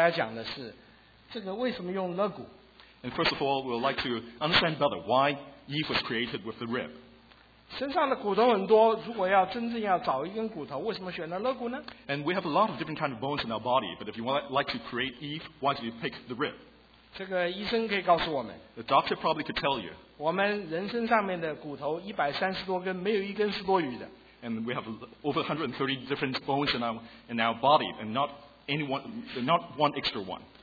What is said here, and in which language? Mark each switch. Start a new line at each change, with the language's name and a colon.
Chinese: 所以我今天首先要跟大家讲的是，这个为什么用肋骨？
English: And first of all, we would like to understand better why Eve was created with the rib.
Chinese: 身上的骨头很多，如果要真正要找一根骨头，为什么选择肋骨呢？
English: And we have a lot of different kinds of bones in our body, but if you want like to create Eve, why did you pick the rib?
Chinese: 这个医生可以告诉我们。
English: The doctor probably could tell you.
Chinese: 我们人身上面的骨头130多根，没有一根是多余的。
English: And we have over 130 different bones in our body, and not one extra one.